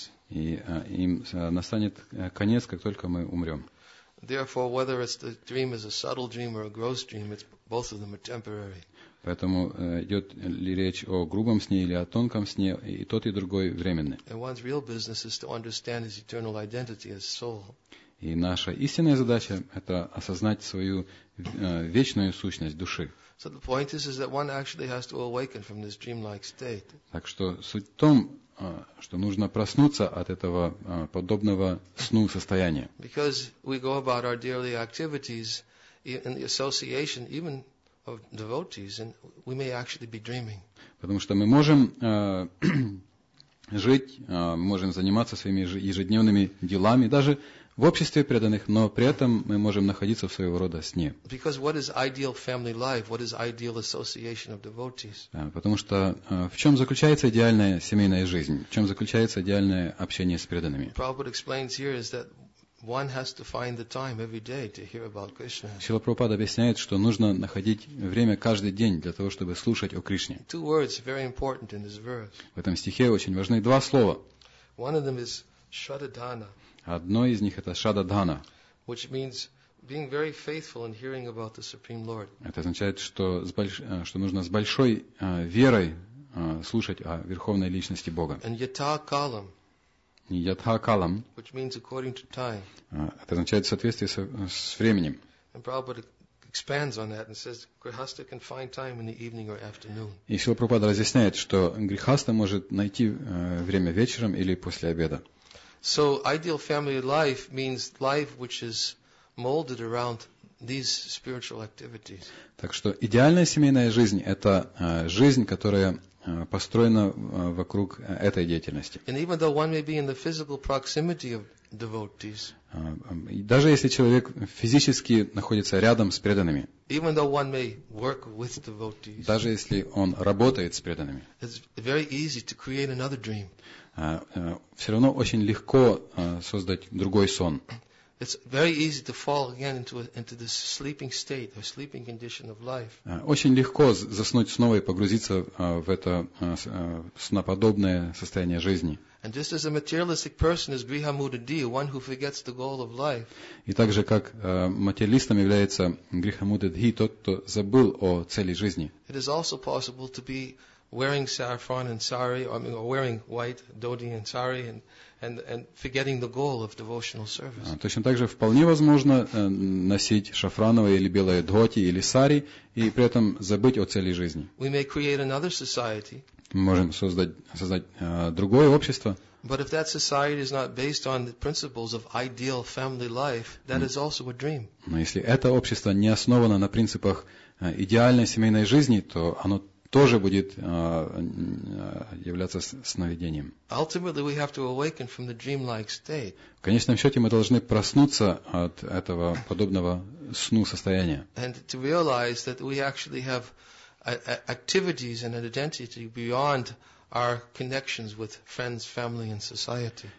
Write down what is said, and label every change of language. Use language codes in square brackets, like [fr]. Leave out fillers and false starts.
[ru] И им настанет конец, как только мы умрем. [en] Therefore, whether it's the dream is a subtle dream or a gross dream, it's both of them are temporary. [ru] Поэтому идет ли речь о грубом сне или о тонком сне, и тот и другой временный. [en] And one's real business is to understand his eternal identity as soul. [ru] И наша истинная задача – это осознать свою вечную сущность души. [en] So the point is that one actually has to awaken from this dreamlike state. [ru] Так что суть в том, что нужно проснуться от этого подобного сну состояния. [en] Because we go about our daily activities in the association even of devotees, and we may actually be dreaming. [ru] Потому что мы можем жить, мы можем заниматься своими ежедневными делами, даже в обществе преданных, но при этом мы можем находиться в своего рода сне. [en] Because what is ideal family life? What is ideal association of devotees? [ru] Потому что в чем заключается идеальная семейная жизнь? В чем заключается идеальное общение с преданными? [en] Prabhupada explains here is that one has to find the time every day to hear about Krishna. [ru] Шрила Прабхупада объясняет, что нужно находить время каждый день для того, чтобы слушать о Кришне. [en] Two words very important in this verse. [ru] В этом стихе очень важны два слова. [en] One of them is Shraddhana. [ru] Одно из них – это Шрадхадхана. [en] Which means being very faithful in hearing about the Supreme Lord. [ru] Это означает, что, что нужно с большой верой слушать о Верховной Личности Бога. [en] And Yathakalam. [sa] Yathakalam. [en] Which means according to time. [ru] Это означает в соответствии с временем. [en] And Prabhupada expands on that and says, Grihastha can find time in the evening or afternoon. [ru] И Шрила Прабхупада разъясняет, что Грихастха может найти время вечером или после обеда. [en] So ideal family life means life which is molded around these spiritual activities. [ru] Так что идеальная семейная жизнь – это жизнь, которая построена вокруг этой деятельности. [en] And even though one may be in the physical proximity of devotees, [ru] даже если человек физически находится рядом с преданными, [en] even though one may work with devotees, [ru] даже если он работает с преданными, [en] it's very easy to create another dream. [ru] Все равно очень легко создать другой сон. [en] It's very easy to fall again into this sleeping state or sleeping condition of life. [ru] Очень легко заснуть снова и погрузиться в это сноподобное состояние жизни. [en] And just as a materialistic person is Griha Mudadiya, one who forgets the goal of life. [ru] И также как материалистом является Гриха Мудадхи, тот, кто забыл о цели жизни. [en] It is also possible to be wearing saffron and sari, I mean, or wearing white dhoti and sari, and forgetting the goal of devotional service. [ru] Точно так же вполне возможно носить шафрановое или белое дхоти или сари и при этом забыть о цели жизни. [en] We may create another society. [ru] Мы можем создать другое общество. [en] But if that society is not based on the principles of ideal family life, that is also a dream. [ru] Но если это общество не основано на принципах идеальной семейной жизни, то оно тоже будет являться сновидением. [en] Ultimately, we have to awaken from the dreamlike state. [ru] В конечном счете, мы должны проснуться от этого подобного сну состояния. [en] And to realize that we actually have activities and an identity beyond our connections with friends, family, and society.